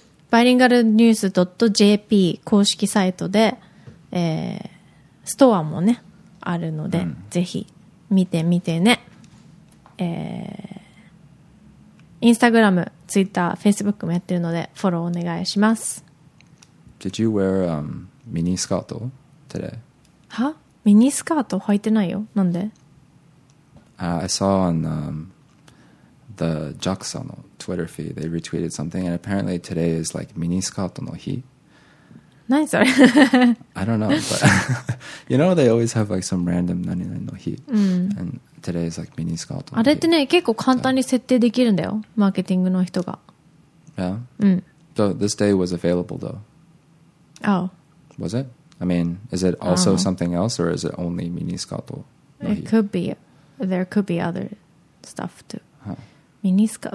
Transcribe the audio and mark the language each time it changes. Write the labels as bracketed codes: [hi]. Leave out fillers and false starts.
[ja] バイリンガルニュース .jp 公式サイトで、ストアもね、あるので、うん、ぜひ見てみてね。インスタグラム、ツイッター、フェイスブックもやってるのでフォローお願いします。 [en] Did you wear ミニスカート today? [ja] は？ミニスカート履いてないよ。なんで？ [en] I saw on the JAXA の Twitter feed they retweeted something and apparently today is like [ja] ミニスカートの日。何それ [en] ？I don't know, but you know they always have like some random 何々の日。 [ja] うん。 [en] And,Today is like mini skirt. [ja] あれってね、結構簡単に設定できるんだよ、マーケティングの人が。 [en] Yeah. [ja] うん。 [en] So this day was available though. Oh. Was it? I mean, is it also something else or is it only mini skirt? It could be. There could be other stuff too. Mini skirt.